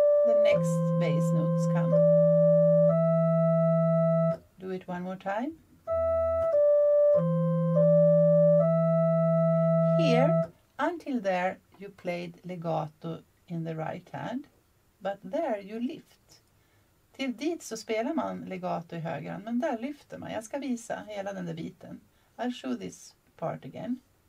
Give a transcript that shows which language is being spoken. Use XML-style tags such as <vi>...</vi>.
<en>The next bass notes come. Do it one more time. Here, until there, you played legato in the right hand. But there you lift.</en> <sv>Till dit så spelar man legato i höger hand, men där lyfter man. Jag ska visa hela den där biten.</sv> <en>I'll show this part again.</en>